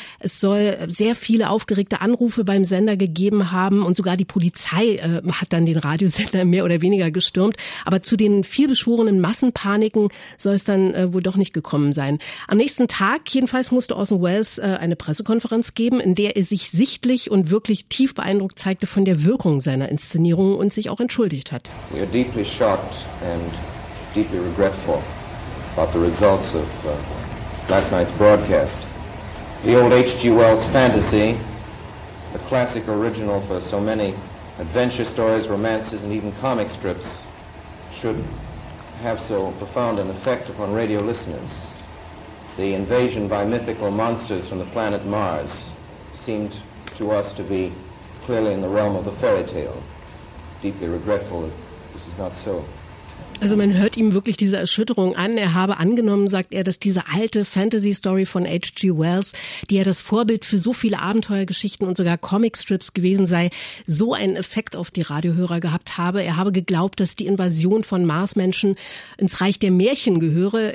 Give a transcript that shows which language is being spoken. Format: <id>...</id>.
<de>Es soll sehr viele aufgeregte Anrufe beim Sender gegeben haben und sogar die Polizei hat dann den Radiosender mehr oder weniger gestürmt. Aber zu den vielbeschworenen Massenpaniken soll es dann wohl doch nicht gekommen sein. Am nächsten Tag jedenfalls musste Orson Welles eine Pressekonferenz geben, in der er sich sichtlich und wirklich tief beeindruckt zeigte von der Wirkung seiner Inszenierung und sich auch entschuldigt hat.</de> <en>We are deeply shocked and deeply regretful about the results of last night's broadcast. The old H.G. Wells fantasy, the classic original for so many adventure stories, romances and even comic strips, should have so profound an effect upon radio listeners. The invasion by mythical monsters from the planet Mars seemed to us to be clearly in the realm of the fairy tale. Deeply regretful that this is not so.</en> <de>Also man hört ihm wirklich diese Erschütterung an. Er habe angenommen, sagt er, dass diese alte Fantasy-Story von H.G. Wells, die ja das Vorbild für so viele Abenteuergeschichten und sogar Comicstrips gewesen sei, so einen Effekt auf die Radiohörer gehabt habe. Er habe geglaubt, dass die Invasion von Marsmenschen ins Reich der Märchen gehöre.</de>